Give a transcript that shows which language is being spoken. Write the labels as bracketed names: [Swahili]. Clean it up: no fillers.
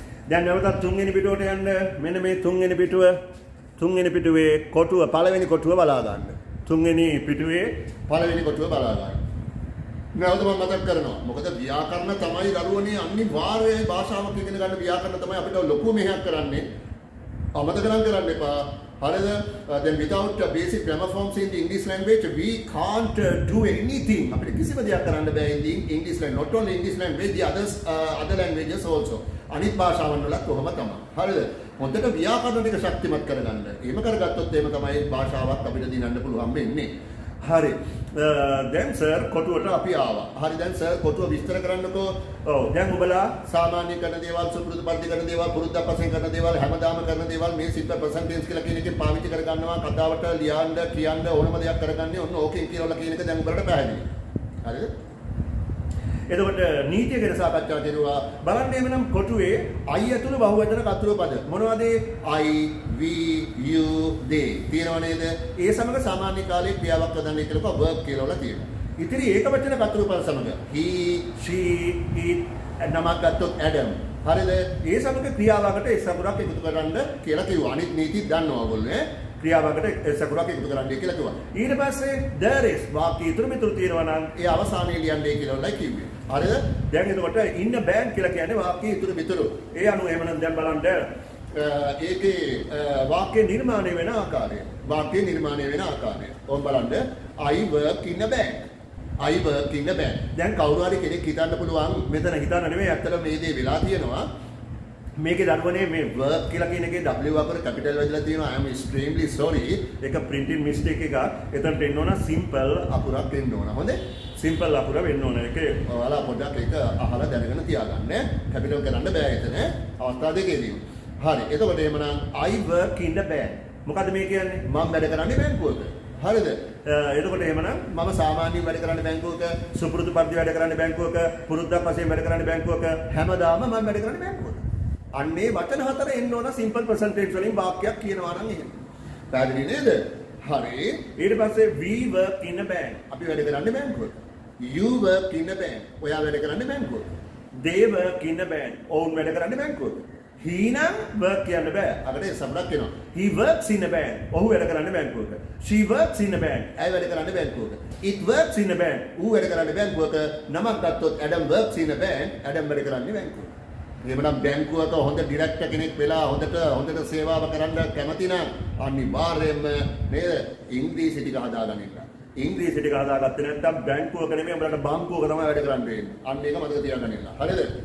[Sinhala] දැන් නැවත තුන්වෙනි පිටුවට යන්න. මෙන්න මේ තුන්වෙනි පිටුව. තුන්වෙනි පිටුවේ කොටුව පළවෙනි කොටුව බලා ගන්න. තුන්වෙනි පිටුවේ පළවෙනි කොටුව බලා ගන්න. නැවත මම මතක් කරනවා. මොකද ව්‍යාකරණ තමයි දරුවනේ අනිවාර්යයෙන් භාෂාවක් ඉගෙන ගන්න ව්‍යාකරණ තමයි අපිට ලොකු මෙහෙයක් කරන්නේ. අමතකනම් කරන්න එපා. හරිද? [English] Then without basic grammar forms in the English language we can't do anything. [Sinhala] අපිට කිසිම දෙයක් කරන්න බෑ [English] English language. Not only English language, the others other languages also. [Sinhala] අනිත් භාෂාවන් වලත් කොහොම තමයි. හරිද? හොඳට ව්‍යාකරණ ටික ශක්තිමත් කරගන්න. එහෙම කරගත්තොත් එහෙම තමයි භාෂාවක් අපිට දිනන්න පුළුවන් වෙන්නේ. හරි. දැන් සර් කොටුවට අපි ආවා. හරි දැන් සර් කොටුව විස්තර කරන්නකෝ. ඔව්. දැන් ඔබලා සාමාන්‍ය කරන දේවල්, සුපුරුදු පරිදි කරන දේවල්, පුරුද්දක් වශයෙන් කරන දේවල්, හැමදාම කරන දේවල් මේ සිත ප්‍රසන්ට් ටෙන්ස් කියලා කියන එකේ පාවිච්චි කරගන්නවා. කතාවට ලියන්න, කියන්න ඕනම දෙයක් කරගන්නේ ඔන්න ඕකෙන් කියලා කියන එක දැන් ඔබලට පැහැදිලි. හරිද? එතකොට නීතිය ගැන සාකච්ඡා කරනවා. බලන්න එහෙනම් කොටුවේ I ඇතුළු බහුවචන කතුරු පද මොනවද? I, we, you, they. තියෙනව නේද? ඒ සමග සාමාන්‍ය කාලයේ ක්‍රියාවක් වදන්න කියලා කව verb කියලා තියෙනවා. ඉතින් ඒකවචන කතුරු පද සමග he, she, it, නමක් ගත්තොත් Adam. හරිද? ඒ සමග ක්‍රියාවකට S අකුරක් එකතු කරන්න කියලා කිව්වා. අනිත් නීතිත් දන්නවා ඔයගොල්ලෝ ඈ. ක්‍රියාවකට S අකුරක් එකතු කරන්න කියලා කිව්වා. ඊට පස්සේ there is වාක්‍ය ඉතුරු මිතුරු තියෙනවා නම් ඒ අවසානයේ ලියන්නේ කියලා ඔලයි කිව්වේ. හරිද? දැන් එතකොට ඉන්න බෑන් කියලා කියන්නේ වාක්‍ය ඉතුරු මිතුරු. ඒ අනුව එහෙමනම් දැන් බලන්න ඒකේ වාක්‍ය නිර්මාණය වෙන ආකාරය. වාක්‍ය නිර්මාණය වෙන ආකාරය. ඕම් බලන්න [English] I work in a bank. I work in a bank. [Sinhala] දැන් කවුරු හරි කෙනෙක් හිතන්න පුළුවන් මෙතන හිතන්න නෙමෙයි ඇත්තටම මේ දේ වෙලා තියෙනවා. මේකේ දරුවනේ මේ work කියලා කියන එකේ W අපර capital වැදලා තියෙනවා. [English] I am extremely sorry. [Sinhala] ඒක printing mistake එකක්. එතන දෙන්න ඕන simple අකුරක් දෙන්න ඕන. හොඳේ. සිම්පල් අකුර වෙන්න ඕන එකේ. ඔයාලා පොඩ්ඩක් ඒක අහලා දැනගෙන තියාගන්න. capital කරන්න බෑ එතන. අවස්ථා දෙකේදී. හරි. එතකොට එහෙමනම් [English] I work in the bank. [Sinhala] මොකද මේ කියන්නේ? මම වැඩ කරන්නේ බැංකුවක. හරිද? එතකොට එහෙමනම් මම සාමාන්‍යයෙන් වැඩ කරන්නේ බැංකුවක, සුපුරුදු පරිදි වැඩ කරන්නේ බැංකුවක, පුරුද්දක් වශයෙන් වැඩ කරන්නේ බැංකුවක, හැමදාම මම වැඩ කරන්නේ බැංකුවක. අන්නේ වචන හතර එන්න ඕන සිම්පල් ප්‍රසන්ටේජ් වලින් වාක්‍යයක් කියනවා නම් එහෙම. පැහැදිලි නේද? හරි. ඊට පස්සේ [English] we work in a bank. [Sinhala] අපි වැඩ කරන්නේ බැංකුවක. [English] You work in a bank. [Sinhala] ඔයා වැඩ කරන්නේ බැංකුවක. [English] They work in a bank. [Sinhala] ඔවුන් වැඩ කරන්නේ බැංකුවක. He නම් work කියන්න බෑ. අකට සමරක් වෙනවා. [English] He works in a bank. [Sinhala] ඔහු වැඩ කරන්නේ බැංකුවක. [English] She works in a bank. [Sinhala] ඇය වැඩ කරන්නේ බැංකුවක. [English] It works in a bank. [Sinhala] ඌ වැඩ කරන්නේ බැංකුවක. නමක් ගත්තොත් [English] Adam works in a bank. [Sinhala] Adam වැඩ කරන්නේ බැංකුවක. එහෙමනම් බැංකුවක හොඳ ඩිරෙක්ටර් කෙනෙක් වෙලා හොඳට සේවාව කරන්න කැමති නම් අනිවාර්යයෙන්ම නේද ඉංග්‍රීසි ටික හදාගන්න එක. ඉංග්‍රීසි ටික හදාගත්තේ නැත්නම් බැංකුවක නෙමෙයි උඹලට බංකුවක තමයි වැඩ කරන්න වෙන්නේ. අන්න ඒක මතක තියාගන්න ඕන. හරිද?